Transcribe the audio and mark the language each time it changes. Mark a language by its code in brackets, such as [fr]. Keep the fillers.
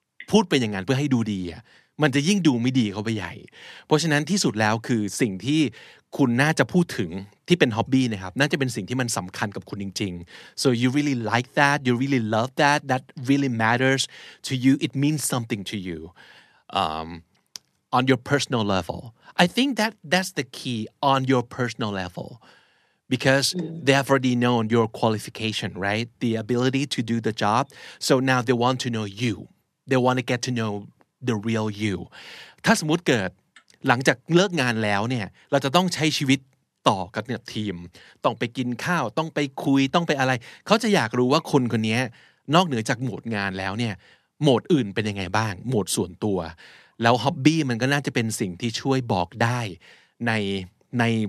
[th] พูดเป็นอย่างนั้นเพื่อให้ดูดีอ่ะมันจะยิ่งดูไม่ดีเขาไปใหญ่ เพราะฉะนั้นที่สุดแล้วคือสิ่งที่คุณน่าจะพูดถึงที่เป็นฮ็อบบี้นะครับน่าจะเป็นสิ่งที่มันสำคัญกับคุณจริงๆ [en] so you really like that you really love that that really matters to you it means something to you um, on your personal level I think that that's the key on your personal level because they have already known your qualification, right? The ability to do the job. So now they want to know you. They want to get to know the real you. [th] ถ้าสมมุติเกิดหลังจากเลิกงานแล้วเนี่ย เราจะต้องใช้ชีวิตต่อกับเนี่ยทีม ต้องไปกินข้าว ต้องไปคุย ต้องไปอะไร เขาจะอยากรู้ว่าคนคนเนี้ยนอกเหนือจากโหมดงานแล้วเนี่ย โหมดอื่นเป็นยังไงบ้าง โหมดส่วนตัว แล้วฮ็อบบี้มันก็น่าจะเป็นสิ่งที่ช่วยบอกได้ในใน